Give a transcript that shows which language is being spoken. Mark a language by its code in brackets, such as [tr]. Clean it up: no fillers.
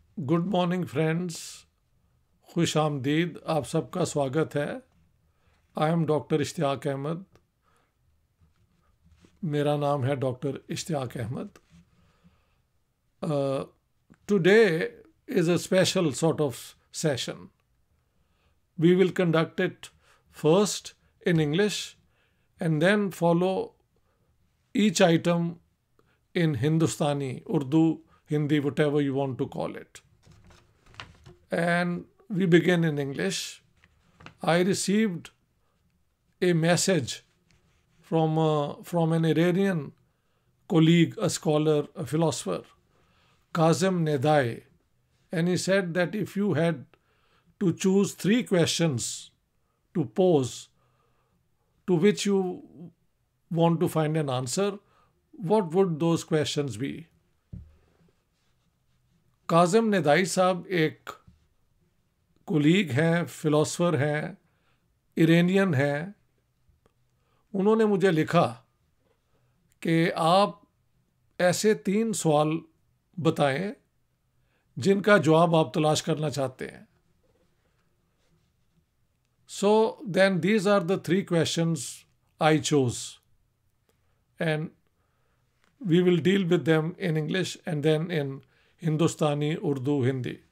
[en] good morning friends, [ur] خوش آمدید، آپ سب کا سواگت ہے. [en] I am doctor Ishtiaq Ahmed, [ur] میرا نام ہے doctor Ishtiaq Ahmad. [en] Today is a special sort of session. We will conduct it first in English and then follow each item in Hindustani, Urdu, Hindi, whatever you want to call it. And we begin in English. I received a message from an Iranian colleague, a scholar, a philosopher, Kazem Nedai. And he said that if you had to choose three questions to pose to which you want to find an answer, what would those questions be? [ur] Kazem Nedai sahab ek colleague ہیں، philosopher ہیں، ایرینین ہیں. انہوں نے مجھے لکھا کہ آپ ایسے تین سوال بتائیں جن کا جواب آپ تلاش کرنا چاہتے ہیں. [en] So then these are the three questions I choose and we will deal with them in English and then in Hindustani, Urdu, Hindi.